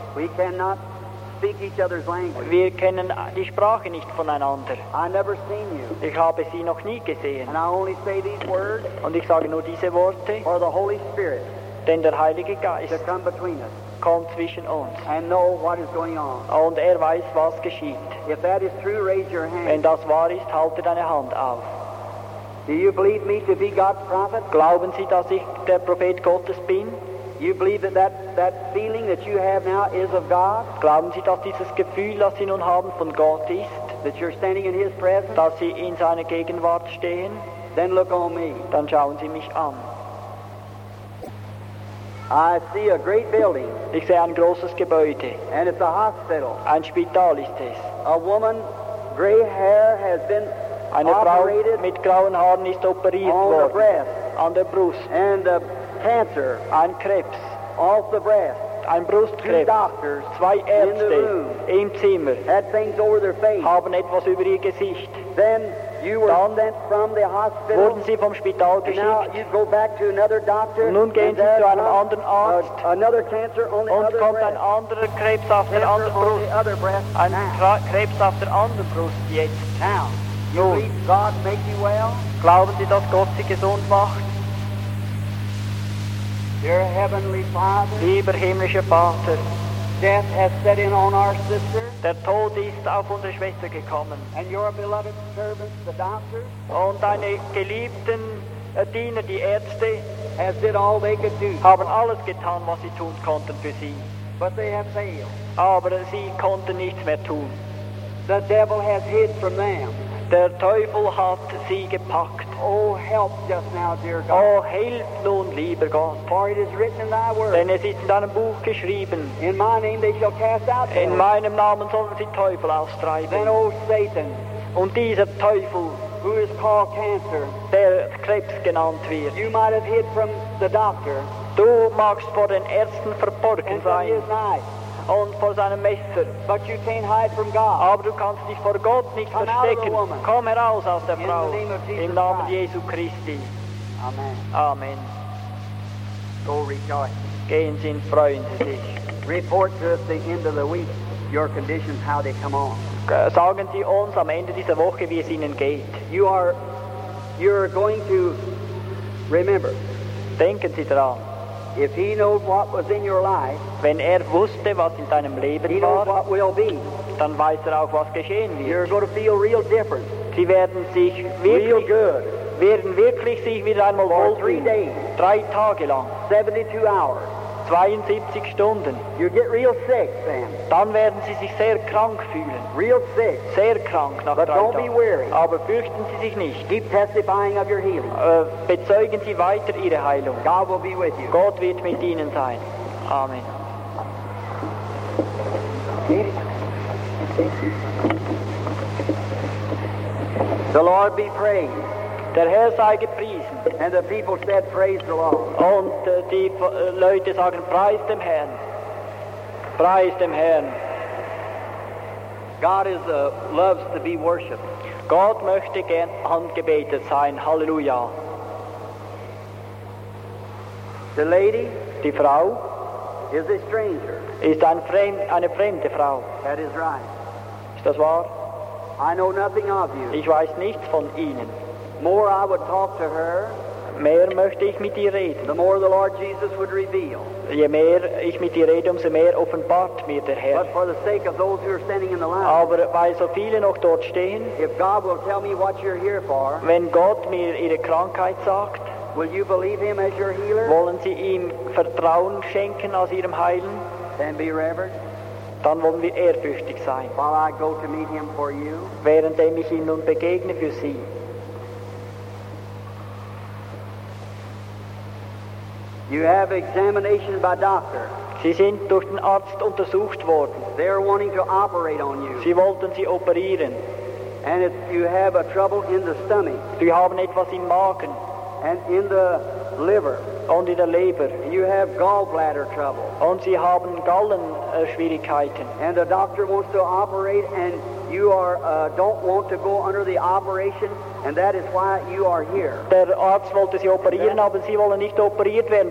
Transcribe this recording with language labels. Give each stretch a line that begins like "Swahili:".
English: We cannot speak each other's language.
German: Wir kennen die Sprache nicht voneinander.
English: I never seen you.
German: Ich habe sie noch nie gesehen.
English: And I only say these words,
German: und ich sage nur diese Worte,
English: for the Holy Spirit,
German: denn der Heilige Geist
English: to come between us,
German: kommt zwischen uns,
English: and know what is going on.
German: Und er weiß, was geschieht.
English: If that is true, raise your hand.
German: Wenn das wahr ist, halte deine Hand auf.
English: Do you believe me to be God's prophet?
German: Glauben Sie, dass ich der Prophet Gottes bin?
English: You believe that feeling that you have now is of God?
German: Glauben Sie, dass dieses Gefühl, das Sie nun haben, von Gott ist?
English: That you're standing in His presence?
German: Dass Sie in seiner Gegenwart stehen?
English: Then look on me.
German: Dann schauen Sie mich an.
English: I see a great building.
German: Ich sehe ein großes Gebäude.
English: And it's a hospital.
German: Ein Spital ist es.
English: A woman, gray hair, has been
German: Eine Frau mit grauen Haaren ist operiert
English: on
German: worden.
English: The breast,
German: an der Brust.
English: And the cancer,
German: ein Krebs.
English: Off the breast,
German: ein Brustkrebs.
English: Two doctors,
German: zwei Ärzte
English: in the room,
German: im Zimmer.
English: Had things over their face.
German: Haben etwas über ihr Gesicht.
English: Then you were
German: dann
English: sent from the hospital,
German: wurden sie vom Spital geschickt.
English: And now you go back to another doctor,
German: und nun gehen sie zu einem anderen Arzt.
English: Another cancer on the
German: und
English: other
German: kommt
English: breast.
German: Ein anderer Krebs auf
English: cancer
German: der anderen
English: on
German: Brust.
English: The other breast
German: ein Krebs auf der anderen Brust jetzt.
English: Now. You believe God make you well?
German: Glauben Sie, dass Gott Sie gesund macht?
English: Dear Heavenly Father,
German: lieber himmlischer Vater,
English: death has set in on our sister,
German: der Tod ist auf unsere Schwester gekommen.
English: And your beloved servants, the doctors,
German: und deine geliebten Diener, die Ärzte,
English: have did all they could do,
German: haben alles getan, was sie tun konnten für sie.
English: But they have failed.
German: Aber sie konnten nichts mehr tun.
English: The devil has hid from them.
German: Der Teufel hat sie gepackt.
English: Oh, help just now, dear God.
German: Oh, hilf nun, lieber Gott.
English: For it is written in thy word.
German: Denn es ist in deinem Buch geschrieben.
English: In my name they shall cast out devils.
German: In meinem Namen sollen sie Teufel austreiben.
English: Then, oh, Satan.
German: Und dieser Teufel,
English: who is called cancer,
German: der Krebs genannt wird,
English: you might have hid from the doctor,
German: du magst vor den Ärzten verborgen
English: and
German: sein.
English: From his knife.
German: Und vor seinem Messer.
English: But you can't hide from God.
German: Aber du kannst dich vor Gott nicht
English: Come
German: verstecken. Komm heraus aus der
English: In
German: Frau.
English: The name of Jesus
German: Im Namen
English: Christ.
German: Jesu Christi.
English: Amen.
German: Amen.
English: Go rejoice.
German: Gehen Sie in Freuden sich.
English: Report to us at the end of the week your conditions, how they come on.
German: Sagen Sie uns am Ende dieser Woche, wie es Ihnen geht.
English: You're going to remember.
German: Denken Sie daran.
English: If he knows what was in your life,
German: wenn wusste, was in deinem Leben
English: he knows what will be,
German: dann weiß auch, was geschehen wird.
English: You're going to feel real different.
German: Sie werden sich wirklich,
English: real good.
German: Werden wirklich sich wieder einmal
English: for
German: wohlfühlen.
English: 3 days.
German: 3 Tage lang.
English: 72 hours.
German: 72 Stunden.
English: You get real sick, Sam.
German: Dann werden Sie sich sehr krank fühlen.
English: Real sick.
German: Sehr krank nach
English: but
German: 3 Tagen.
English: Don't be weary.
German: Aber fürchten Sie sich nicht.
English: Keep testifying of your healing.
German: Bezeugen Sie weiter Ihre Heilung.
English: God will be with you.
German: Gott wird mit Ihnen sein.
English: Amen. The Lord be praised.
German: Der Herr sei gepriesen.
English: And the people said, praise the Lord.
German: Und die Leute sagen, preis dem Herrn. Preis dem Herrn.
English: God is loves to be worshipped.
German: Gott möchte gern angebetet sein. Halleluja.
English: The lady,
German: die Frau,
English: is a stranger.
German: Ist eine fremde Frau.
English: That is right.
German: Ist das wahr?
English: I know nothing of you.
German: Ich weiß nichts von Ihnen.
English: More I would talk to her,
German: mehr möchte ich mit ihr reden.
English: The more the Lord Jesus would reveal.
German: Je mehr ich mit ihr rede, umso mehr offenbart mir der Herr.
English: But for the sake of those who are standing in the line,
German: aber weil so viele noch dort stehen,
English: if God will tell me what you're here for,
German: wenn Gott mir ihre Krankheit sagt,
English: will you believe him as your healer?
German: Wollen Sie ihm Vertrauen schenken als ihrem Heilen?
English: And be reverent.
German: Dann wollen wir ehrfürchtig sein.
English: While I go to meet him for you,
German: währenddem ich ihn nun begegne für Sie.
English: You have examination by doctor.
German: Sie sind durch den Arzt untersucht worden.
English: They are wanting to operate on you.
German: Sie wollten Sie operieren.
English: And if you have a trouble in the stomach.
German: Sie haben etwas im Magen.
English: And in the liver.
German: Und in der Leber.
English: And you have gallbladder trouble.
German: Und Sie haben Gallenschwierigkeiten.
English: And the doctor wants to operate and you are don't want to go under the operation. And that is why you are here.
German: Der Arzt wollte Sie operieren, aber Sie wollen nicht operiert werden.